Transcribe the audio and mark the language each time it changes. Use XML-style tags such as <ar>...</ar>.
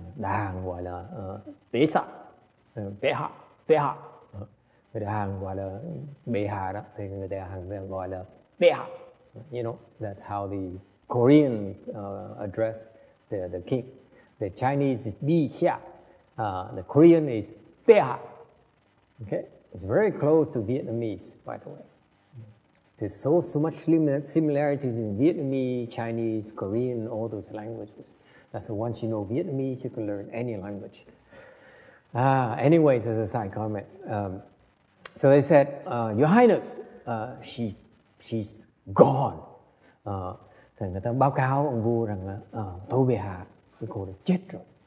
<vi>đàng gọi là bế sa, bế hạ, bế hạ, người đàng gọi là bế hạ đó, thì người đàng gọi là bế hạ.</vi> <en>That's how the Korean address the king. The Chinese is bì xia, the Korean is bế hạ. Okay, it's very close to Vietnamese, by the way. There's so much similarity in Vietnamese, Chinese, Korean, all those languages. That's why once you know Vietnamese, you can learn any language. Anyways, as a side comment, so they said, Your Highness, she's gone.</en> <vi>Thì người ta báo cáo ông vua rằng là tôi bị hạ, cái cô đã chết rồi.</vi>